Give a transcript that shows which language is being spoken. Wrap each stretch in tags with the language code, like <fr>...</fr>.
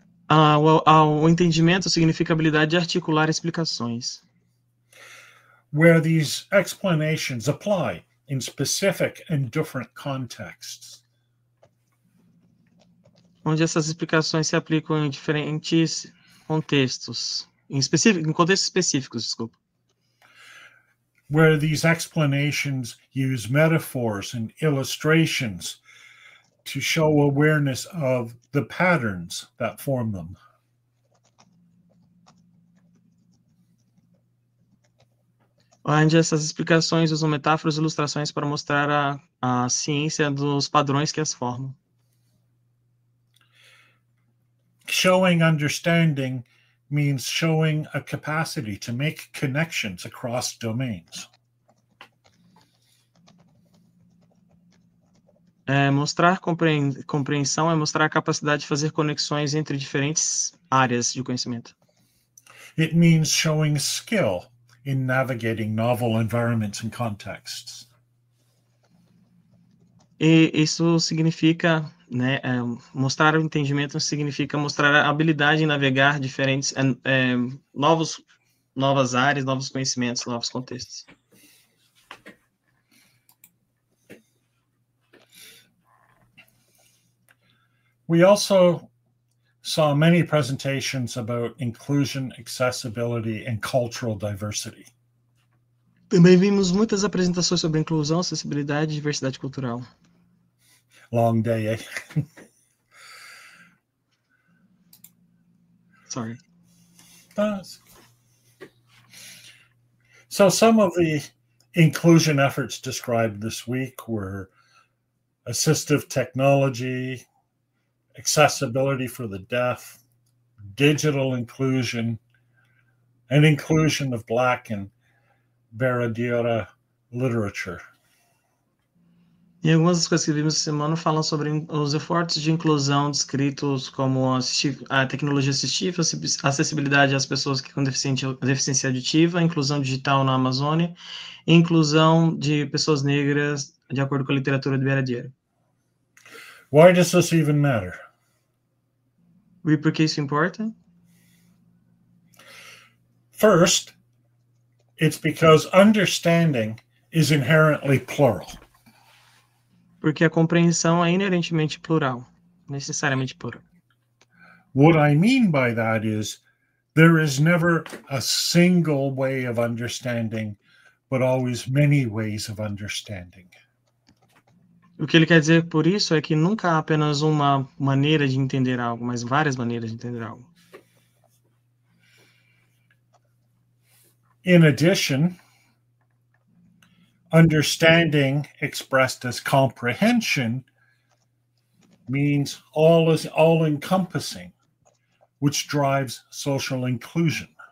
<pt>O entendimento significa a habilidade de articular explicações.</pt> <en>Where these explanations apply in specific and different contexts.</en> <pt>Onde essas explicações se aplicam em diferentes contextos. Em contextos específicos, desculpa.</pt> <en>Where these explanations use metaphors and illustrations to show awareness of the patterns that form them.</en> <pt>Onde essas explicações usam metáforas e ilustrações para mostrar a ciência dos padrões que as formam.</pt> <en>Showing understanding means showing a capacity to make connections across domains.</en> <pt>Mostrar compreensão é mostrar a capacidade de fazer conexões entre diferentes áreas de conhecimento.</pt> <en>It means showing skill in navigating novel environments and contexts.</en> <pt>E isso significa, né, mostrar o entendimento significa mostrar a habilidade em navegar diferentes, novas áreas, novos conhecimentos, novos contextos.</pt> <en>We also saw many presentations about inclusion, accessibility, and cultural diversity.</en> <pt>Também vimos muitas apresentações sobre inclusão, acessibilidade e diversidade cultural.</pt> <en>Long day, eh? Sorry. So some of the inclusion efforts described this week were assistive technology, accessibility for the deaf, digital inclusion, and inclusion of Black and Baradira literature.</en> <pt>Em algumas das coisas que vimos essa semana falam sobre os esforços de inclusão descritos como a tecnologia assistiva, acessibilidade às pessoas que com deficiência auditiva, inclusão digital na Amazônia, inclusão de pessoas negras, de acordo com a literatura do Beradier.</pt> <en>Why does this even matter?</en> <pt>E por que isso importa?</pt> <en>First, it's because understanding is inherently plural.</en> <pt>Porque a compreensão é inerentemente plural, necessariamente plural.</pt> <en>What I mean by that is there is never a single way of understanding, but always many ways of understanding.</en> <pt>O que ele quer dizer por isso é que nunca há apenas uma maneira de entender algo, mas várias maneiras de entender algo.</pt> <en>In addition, understanding expressed as comprehension means all is all encompassing, which drives social inclusion.</en>